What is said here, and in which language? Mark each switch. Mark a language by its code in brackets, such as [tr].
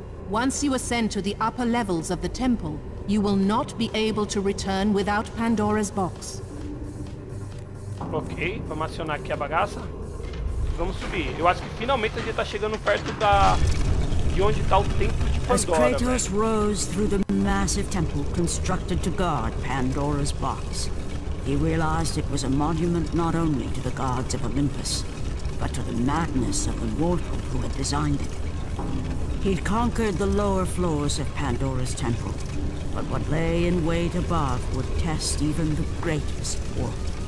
[en] Once you ascend to the upper levels of the temple, you will not be able to return without Pandora's box. [pt] Ok, vamos acionar aqui a bagaça. Vamos subir. Eu acho que finalmente a gente tá chegando perto da... de onde tá o templo de Pandora. [en] As Kratos rose through the massive temple constructed to guard Pandora's box, he realized it was a monument not only to the gods of Olympus, but to the madness of the mortal who had designed it. He'd conquered the lower floors of Pandora's temple, but what lay in wait above would test even the greatest mortal.